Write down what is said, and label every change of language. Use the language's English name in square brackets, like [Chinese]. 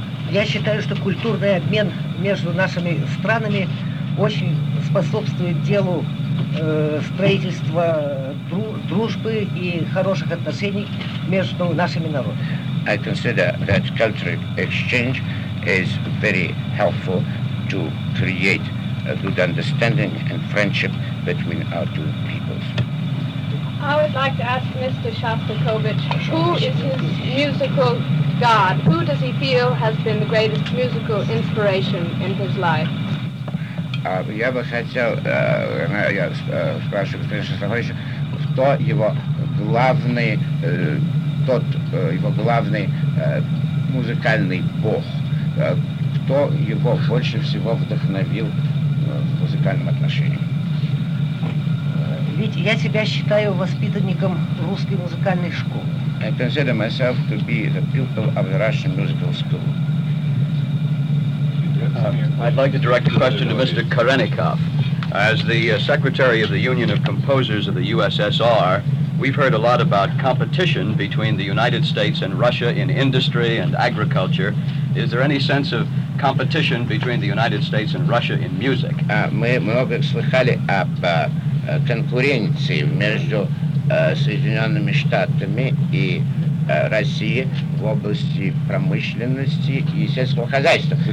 [Russian] Я считаю, что культурный обмен между нашими странами очень способствует делу строительства дружбы и хороших отношений между нашими народами. [English] I consider that cultural exchange is very helpful to create a good understanding and friendship between our two peoples. I would like to ask Mr. Shostakovich, who is his musical god? Who does he feel has been the greatest musical inspiration in his life? [Russian] Я бы хотел, я спрашиваю господин Шостакович, кто его главный, тот его главный музыкальный бог, кто его больше всего вдохновил в музыкальном отношении? Ведь я себя считаю воспитанником русской музыкальной школы. [English] I consider myself to be the pupil of the Russian musical school. I'd like to direct a question to Mr. Karenikov. As the Secretary of the Union of Composers of the USSR, we've heard a lot about competition between the United States and Russia in industry and agriculture. Is there any sense of competition between the United States and Russia in music? [Russian] Мы много слыхали об конкуренции между Соединенными Штатами и России в области промышленности и сельского хозяйства.